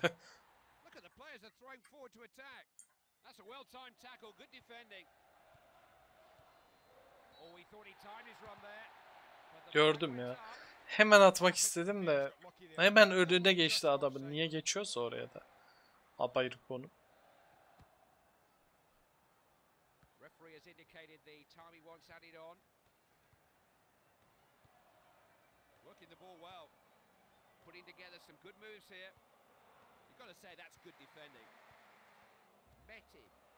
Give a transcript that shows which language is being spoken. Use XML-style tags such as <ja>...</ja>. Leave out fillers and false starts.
<en>Look at the players are throwing forward to attack. That's a well-timed tackle, good defending. Oh, we thought he timed his run there.</en> <tr>Gördüm ya. Hemen atmak istedim de hemen önüne geçti adamın. Niye geçiyorsa oraya da. Apayrı konu.</tr> <en>Referee has indicated the time he wants added on. Looking the ball well. Putting together some good moves here. You've got to say that's good defending. Metti.</en>